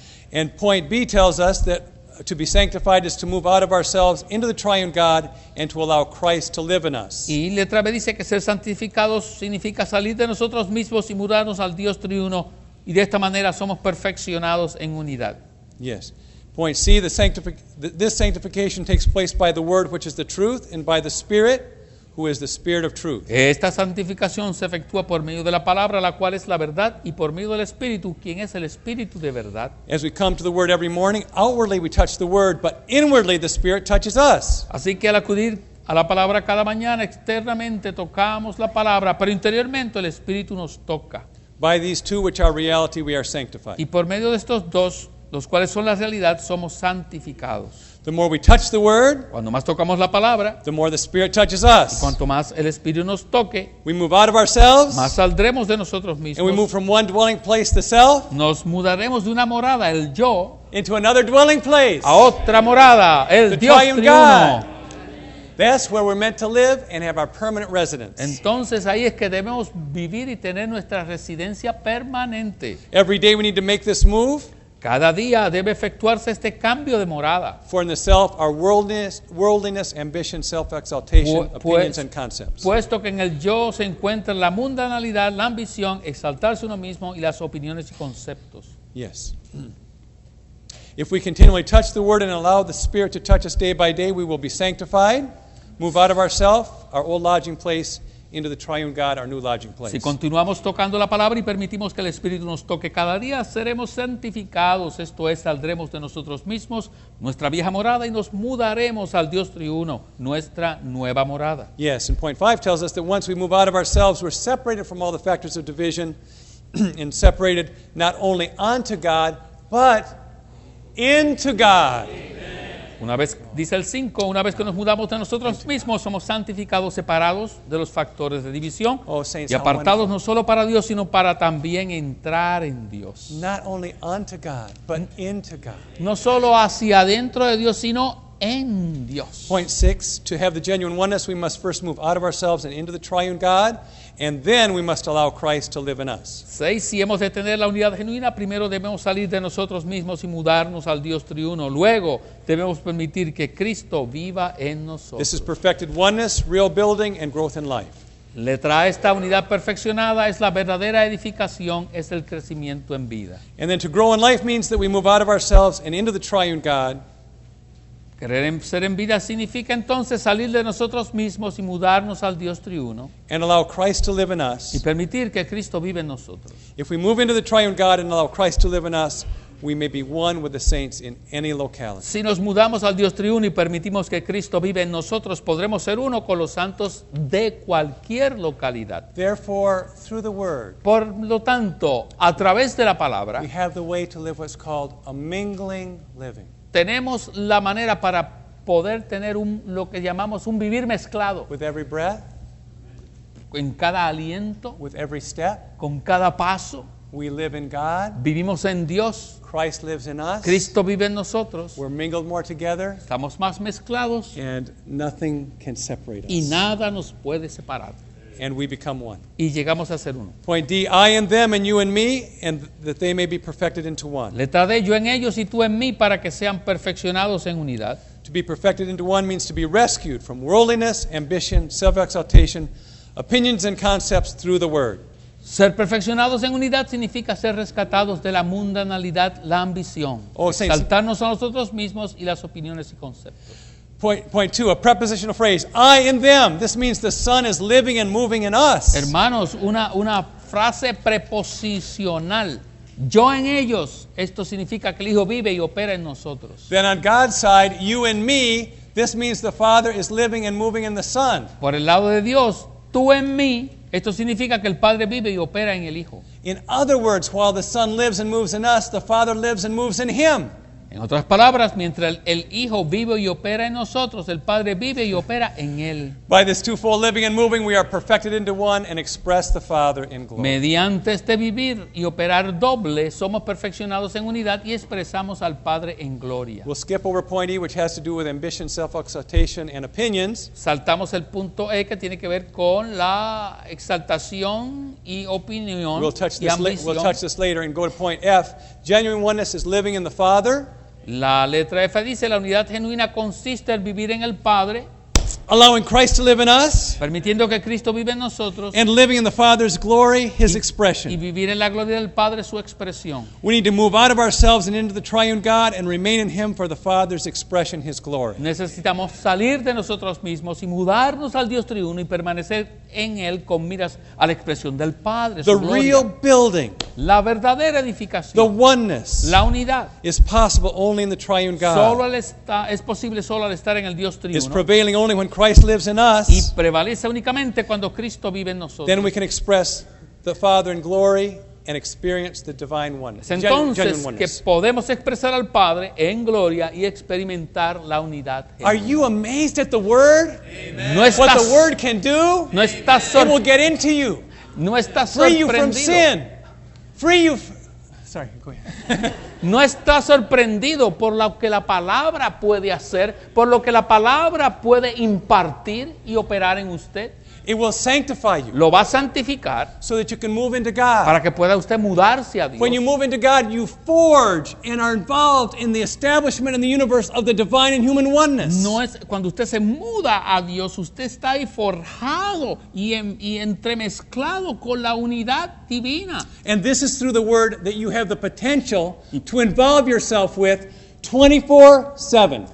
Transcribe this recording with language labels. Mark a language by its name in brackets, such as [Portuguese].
[English] And point B tells us that to be sanctified is to move out of ourselves into the triune God and to allow Christ to live in us. [Spanish] Y letra B dice que ser santificados significa salir de nosotros mismos y mudarnos al Dios triuno, y de esta manera somos perfeccionados en unidad. [English] Yes. Point C, this sanctification takes place by the word which is the truth and by the spirit who is the spirit of truth. [Spanish] Esta santificación se efectúa por medio de la palabra, la cual es la verdad, y por medio del espíritu, quien es el espíritu de verdad. [English] As we come to the word every morning, outwardly we touch the word, but inwardly the spirit touches us. [Spanish] Así que al acudir a la palabra cada mañana, externamente tocamos la palabra, pero interiormente el espíritu nos toca. [English] By these two which are reality, we are sanctified. [Spanish] Y por medio de estos dos, los cuales son la realidad, somos santificados. [English] The more we touch the word, [Spanish] cuando más tocamos la palabra, [English] the more the spirit touches us. [Spanish] Y cuanto más el espíritu nos toque, [English] we move out of ourselves, [Spanish] más saldremos de nosotros mismos. [English] And we move from one dwelling place, the self, [Spanish] nos mudaremos de una morada, el yo, [English] into another dwelling place, [Spanish] a otra morada, el Dios triuno. [English] That's where we're meant to live and have our permanent residence. [Spanish] Entonces ahí es que debemos vivir y tener nuestra residencia permanente. [English] Every day we need to make this move. [Spanish] Cada día debe efectuarse este cambio de morada. [English] For in the self are worldliness, ambition, self-exaltation, opinions and concepts. [Spanish] Puesto que en el yo se encuentra la mundanalidad, la ambición, exaltarse uno mismo y las opiniones y conceptos. [English] Yes. If we continually touch the word and allow the spirit to touch us day by day, we will be sanctified, move out of ourselves, our old lodging place, into the triune God, our new lodging place. [Spanish] Si continuamos tocando la palabra y permitimos que el Espíritu nos toque cada día, seremos santificados, esto es, saldremos de nosotros mismos, nuestra vieja morada, y nos mudaremos al Dios triuno, nuestra nueva morada. [English] Yes, and point five tells us that once we move out of ourselves, we're separated from all the factors of division and separated not only unto God, but into God. [Spanish] Una vez, dice el 5, una vez que nos mudamos de nosotros mismos, somos santificados, separados de los factores de división, [English] oh, saints, [Spanish] y apartados no solo para Dios, sino para también entrar en Dios. [English] Not only unto God, but into God. [Spanish] No solo hacia adentro de Dios, sino en Dios. [English] Point 6, to have the genuine oneness, we must first move out of ourselves and into the triune God, and then we must allow Christ to live in us. [Spanish] 6, si hemos de tener la unidad genuina, primero debemos salir de nosotros mismos y mudarnos al Dios triuno. Luego debemos permitir que Cristo viva en nosotros. [English] This is perfected oneness, real building, and growth in life. [Spanish] Letra A, esta unidad perfeccionada es la verdadera edificación, es el crecimiento en vida. [English] And then to grow in life means that we move out of ourselves and into the triune God. [Spanish] Querer ser en vida significa entonces salir de nosotros mismos y mudarnos al Dios triuno. [English] And allow Christ to live in us. [Spanish] Y permitir que Cristo vive en nosotros. [English] If we move into the triune God and allow Christ to live in us, we may be one with the saints in any locality. [Spanish] Si nos mudamos al Dios triuno y permitimos que Cristo vive en nosotros, podremos ser uno con los santos de cualquier localidad. [English] Therefore, through the word. [Spanish] Por lo tanto, a través de la palabra. [English] We have the way to live what's called a mingling living. [Spanish] Tenemos la manera para poder tener un, lo que llamamos un vivir mezclado. [English] With every breath, [Spanish] en cada aliento, [English] with every step, [Spanish] con cada paso, [English] we live in God, [Spanish] vivimos en Dios, [English] Christ lives in us, [Spanish] Cristo vive en nosotros, [English] we're mingled more together, [Spanish] estamos más mezclados, [English] and nothing can separate us. [Spanish] Y nada nos puede separar. [English] And we become one. [Spanish] Y llegamos a ser uno. [English] Point D, I in them and you in me, and that they may be perfected into one. [Spanish] Letra D, yo en ellos y tú en mí, para que sean perfeccionados en unidad. [English] To be perfected into one means to be rescued from worldliness, ambition, self-exaltation, opinions and concepts through the word. [Spanish] Ser perfeccionados en unidad significa ser rescatados de la mundanalidad, la ambición. Saltarnos a nosotros mismos y las opiniones y conceptos. [English] Point two, a prepositional phrase, I in them. This means the Son is living and moving in us. [Spanish] Hermanos, una frase preposicional. Yo en ellos. Esto significa que el Hijo vive y opera en nosotros. [English] Then on God's side, you and me. This means the Father is living and moving in the Son. [Spanish] Por el lado de Dios, tú en mí. Esto significa que el Padre vive y opera en el Hijo. [English] In other words, while the Son lives and moves in us, the Father lives and moves in Him. [Spanish] En otras palabras, mientras el Hijo vive y opera en nosotros, el Padre vive y opera en él. [English] By this twofold living and moving, we are perfected into one and express the Father in glory. [Spanish] Mediante este vivir y operar doble, somos perfeccionados en unidad y expresamos al Padre en gloria. [English] We'll skip over point E, which has to do with ambition, self-exaltation, and opinions. [Spanish] Saltamos el punto E, que tiene que ver con la exaltación y opinión y ambición. [English] We'll touch this later and go to point F. Genuine oneness is living in the Father. [Spanish] La letra F dice, la unidad genuina consiste en vivir en el Padre. [English] Allowing Christ to live in us. [Spanish] Permitiendo que Cristo vive en nosotros. [English] And living in the Father's glory, his expression. [Spanish] Y vivir en la gloria del Padre, su expresión. [English] We need to move out of ourselves and into the triune God and remain in him for the Father's expression, his glory. [Spanish] Necesitamos salir de nosotros mismos y mudarnos al Dios triuno y permanecer en él con miras a la expresión del Padre, su [English] the [Spanish] gloria. [English] The real building. [Spanish] La verdadera edificación. [English] The oneness. [Spanish] La unidad. [English] Is possible only in the triune God. [Spanish] Es posible solo al estar en el Dios triuno. [English] Is prevailing only when Christ lives in us. [Spanish] Y prevalece únicamente cuando Cristo vive en nosotros. [English] Then we can express the Father in glory and experience the divine oneness. [Spanish] Entonces que podemos expresar al Padre en gloria y experimentar la unidad. [English] Are you amazed at the word? [Spanish] No estás, [English] what the word can do? [Spanish] No estás sorprendido. [English] It will get into you. [Spanish] No estás sorprendido. [English] Free you from sin. Free you. Sorry, go ahead. [Spanish] No está sorprendido por lo que la palabra puede hacer, por lo que la palabra puede impartir y operar en usted. [English] It will sanctify you. [Spanish] Lo va a santificar. [English] So that you can move into God. [Spanish] Para que pueda usted mudarse a Dios. [English] When you move into God, you forge and are involved in the establishment in the universe of the divine and human oneness. [Spanish] No es cuando usted se muda a Dios, usted está ahí forjado y entremezclado con la unidad divina. [English] And this is through the word that you have the potential to involve yourself with 24/7.